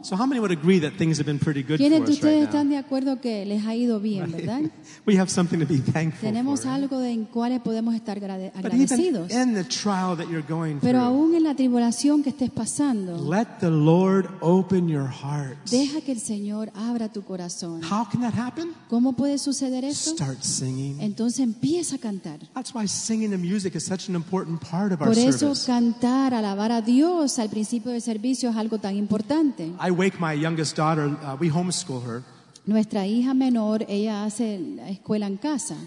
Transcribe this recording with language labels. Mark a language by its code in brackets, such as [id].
[en] So how many would agree that things have been pretty good for us right now? [es] ¿Quiénes de ustedes están de acuerdo que les ha ido bien, verdad? [en] We have something to be thankful for. [es] Tenemos algo de en cuáles podemos estar agradecidos. [en] But even in the trial that you're going through, [es] pero aún en la tribulación que estés pasando, [en] let the Lord open your heart. [es] Deja que el Señor abra tu corazón. [en] How can that happen? [es] ¿Cómo puede suceder eso? [en] Start singing. [es] Entonces empieza a cantar. [en] That's why singing the music is such an important part of our service. [es] Por eso cantar, alabar a Dios. Al principio del servicio es algo tan importante. [en] I wake my youngest daughter, we homeschool her. [es] Nuestra hija menor, ella hace la escuela en casa.